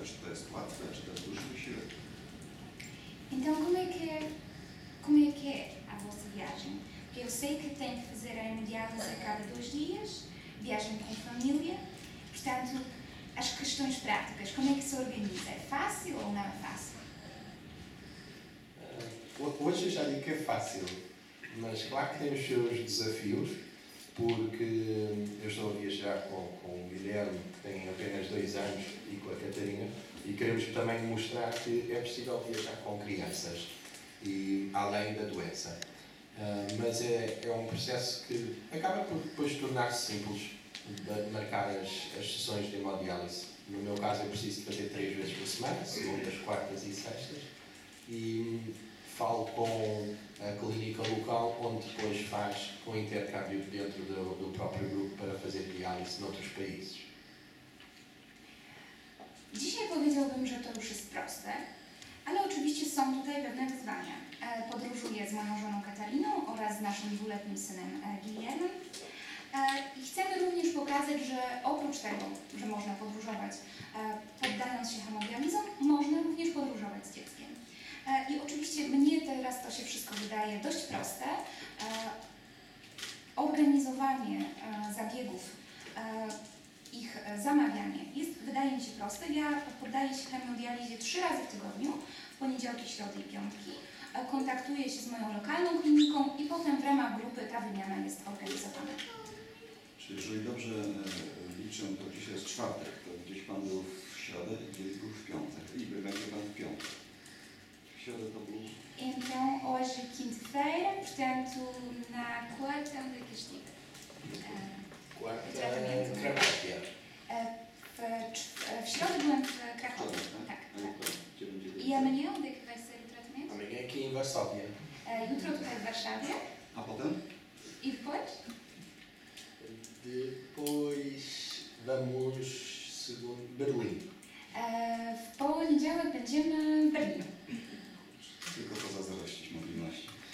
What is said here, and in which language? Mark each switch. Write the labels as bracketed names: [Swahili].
[Polish] Czy to jest łatwe, czy to jest duży wysiłek? [Portuguese] Então, como é que é a vossa viagem? Porque eu sei que tem que fazer a hemodiálise a cada dois dias, viagem com a família, portanto, as questões práticas, como é que se organiza? É fácil ou não é fácil? Hoje eu já digo que é fácil, mas claro que tem os seus desafios, porque eu estou a viajar com o Guilherme, que tem apenas 2 anos, e com a Catarina, e queremos também mostrar que é possível viajar com crianças, e além da doença. Mas é um processo que acaba por depois tornar-se simples, de marcar as sessões de hemodiálise. No meu caso, eu preciso fazer 3 vezes por semana, segundas, quartas e sextas, e falo com a clínica local, onde depois faz com um intercâmbio dentro do próprio grupo para fazer diálise noutros países. [Polish] Dzisiaj powiedziałbym, że to już jest proste, ale oczywiście są tutaj pewne wyzwania. Podróżuję z moją żoną Kataliną oraz z naszym 2-letnim synem Guillermem. I chcemy również pokazać, że oprócz tego, że można podróżować poddając się hemodializom, można również podróżować z dzieckiem. I oczywiście mnie teraz to się wszystko wydaje dość proste. Organizowanie zabiegów, ich zamawianie jest, wydaje mi się, proste. Ja poddaję się hemodializie 3 razy w tygodniu, w poniedziałki, środy i piątki. Kontaktuję się z moją lokalną kliniką i potem w ramach grupy ta wymiana jest organizowana. Czyli jeżeli dobrze liczę, to dzisiaj jest czwartek, to gdzieś Pan był w środę i gdzieś był w piątek. I będzie Pan w piątek. [Portuguese] Então, hoje é quinta-feira, portanto, na quarta, onde é que estive? Quarta, em Cracóvia. Em Cracóvia, não é? Cracóvia. E amanhã, onde é que vai ser o tratamento? Amanhã, aqui em Varsóvia. E outro outro em Varsóvia. [Polish] A potem? [Portuguese] E depois? Depois, vamos, segundo, Berlim. [Polish] W poniedziałek będziemy w Berlim. Tylko to zazdrościć mobilności.